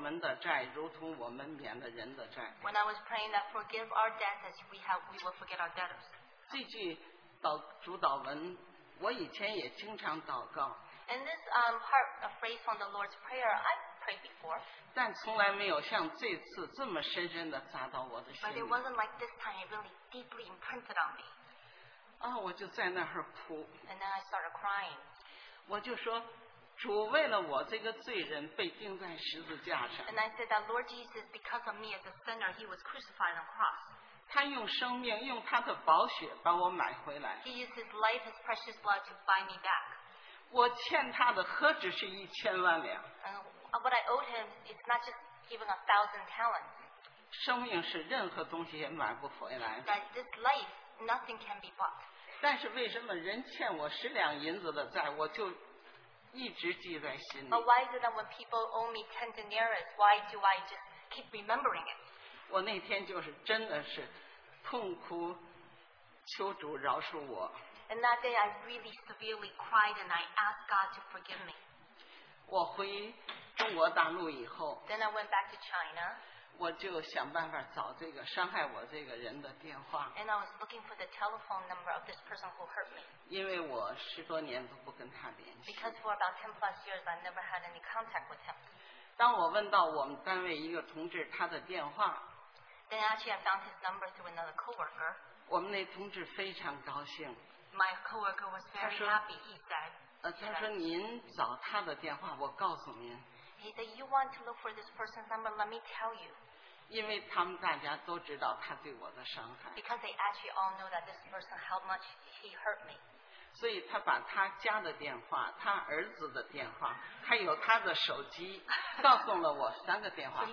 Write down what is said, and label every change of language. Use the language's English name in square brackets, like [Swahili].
[Chinese] 当我祷告到免我们的债如同我们免了人的债, [English] when I was praying that forgive our debts as we will forget our debtors, [Chinese] 这句主祷文, 我以前也经常祷告, [English] and this part, a phrase from the Lord's Prayer, I've prayed before, [Chinese] 但从来没有像这次这么深深地扎到我的心里, [English] but it wasn't like this time, it really deeply imprinted on me. [Chinese] 我就在那儿哭, [English] and then I started crying. [Chinese] 我就说, 主为了我这个罪人被钉在十字架上。 [English] And I said that Lord Jesus, because of me as a sinner, he was crucified on the cross. [Chinese] 他用生命, 用他的宝血把我买回来。 [English] He used his life, his precious blood to buy me back. [Chinese] 我欠他的何止是一千万两。 [English] And what I owed him is not just even 1,000 talents. [Chinese] 生命是任何东西也买不回来。 [English] That this life, nothing can be bought. [Chinese] 但是为什么人欠我十两银子的债, 我就 [English] But why is it that when people owe me 10 denarius, why do I just keep remembering it? [Chinese] 我那天就是真的是痛哭求主饶恕我。 [English] And that day I really severely cried and I asked God to forgive me. [Chinese] 我回中国大陆以后, [English] then I went back to China. [Chinese] 我就想办法找这个伤害我这个人的电话。 [English] And I was looking for the telephone number of this person who hurt me. [Chinese] 因为我十多年都不跟他联系。 [English] Because for about 10 plus years, I never had any contact with him. [Chinese] 当我问到我们单位一个同志他的电话, [English] then actually I found his number through another coworker. [Chinese] 我们那同志非常高兴。 [English] My coworker was very [Chinese] 他说, [English] happy, he said. [Chinese] 他说您找他的电话, 我告诉您。 [English] He said, you want to look for this person's number, let me tell you. [Chinese] 因为他们大家都知道他对我的伤害。 [English] Because they actually all know that this person, how much he hurt me. [Chinese] 所以他把他家的电话, 他儿子的电话, 还有他的手机, 告诉了我三个电话号码。